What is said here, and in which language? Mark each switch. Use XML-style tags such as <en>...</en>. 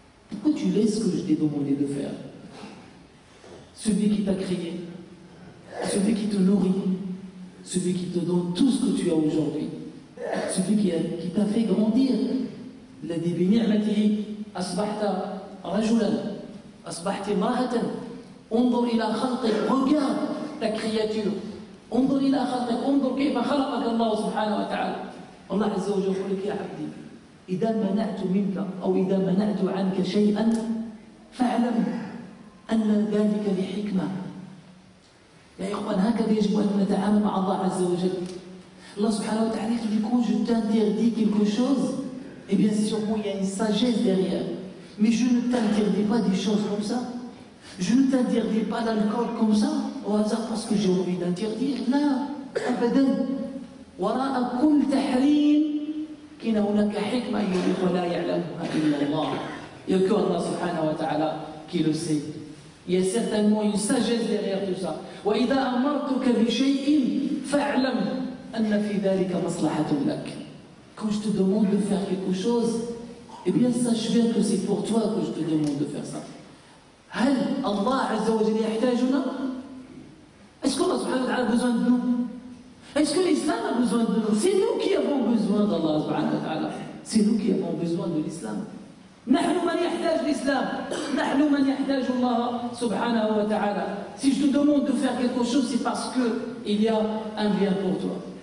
<fr>Pourquoi tu laisses ce que je t'ai demandé de faire? Celui qui t'a créé, celui qui te nourrit, celui qui te donne tout ce que tu as aujourd'hui, celui qui t'a fait grandir, l'a dit</fr> <ar>bi ni'matihi asbahta rajulan, asbahta imra'atan, انظر الى خلقك,</ar> <fr>regarde ta créature, انظر الى خلقك,</fr> <ar>انظر كيف خلقك الله سبحانه وتعالى. Allah عز وجل يقول لك يا عبدي إذا منعت منك أو إذا منعت عنك شيئا فاعلم أن ذلك لحكمة. يا إخوان هكذا يجب أن نتعامل مع الله عز وجل. الله سبحانه وتعالى يقول لك</ar> <fr>quand je t'interdis quelque chose, et bien sûrement il y a une sagesse derrière. Mais je ne t'interdis pas des choses comme ça. Je ne t'interdis pas d'alcool comme ça au hasard parce que j'ai envie d'interdire.</fr> <ar>لا أبدا وراء كل تحريم كان هناك حكمة يريد ولا يعلمها إلا الله. يقول الله سبحانه وتعالى كي لو سي.</ar> <fr>Il y a certainement une sagesse derrière tout ça.</fr> <ar>وإذا أمرتك بشيء فاعلم أن في ذلك مصلحة لك.</ar> <fr>Quand je te demande de faire quelque chose, eh bien sache bien que c'est pour toi que je te demande de faire ça.</fr> <ar>هل الله عز وجل يحتاجنا؟</ar> <fr>Est-ce que</fr> <ar>الله سبحانه وتعالى</ar> <fr>a besoin de nous? Est-ce que l'islam a besoin de nous? C'est nous qui avons besoin d'Allah subhanahu wa ta'ala. C'est nous qui avons besoin de l'islam.</fr> <ar>Nahnu man yahtaj</ar> <fr>l'islam.</fr> <ar>Nahnu man yahtaj</ar> <fr>Allah subhanahu wa ta'ala. Si je te demande de faire quelque chose, c'est parce qu'il y a un bien pour toi.</fr>